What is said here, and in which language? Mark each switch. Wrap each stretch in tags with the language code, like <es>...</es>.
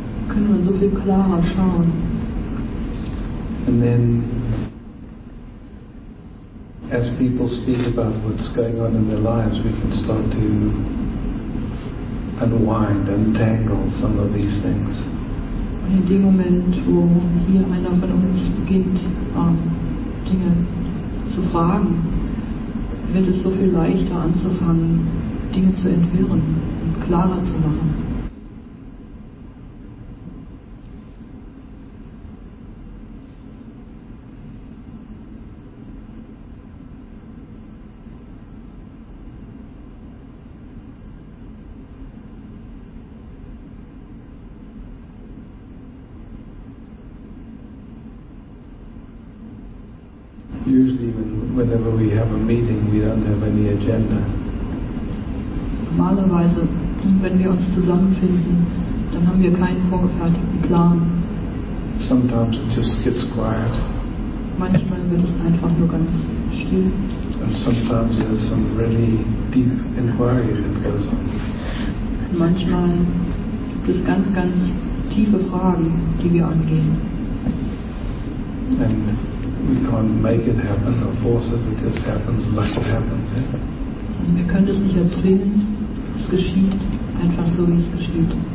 <de>Können wir so viel klarer schauen.</de> <en>And then, as people speak about what's going on in their lives, we can start to unwind, untangle some of these things.</en> <de>Und in dem Moment, wo hier einer von uns beginnt, Dinge zu fragen, wird es so viel leichter anzufangen, Dinge zu entwirren und klarer zu machen.</de> <en>Usually, whenever we have a meeting, we don't have any agenda.</en> <de>Normalerweise, wenn wir uns zusammenfinden, dann haben wir keinen vorgefertigten Plan.</de> <en>Sometimes it just gets quiet.</en> <de>Manchmal wird es einfach nur ganz still.</de> <en>And sometimes there's some really deep inquiry that goes on.</en> <de>Und manchmal gibt es ganz, ganz tiefe Fragen, die wir angehen.</de> <en>And we can't make it happen or force it, it just happens like it happens. Yeah?</en> <de>Wir können es nicht erzwingen, es geschieht einfach so, wie es geschieht.</de>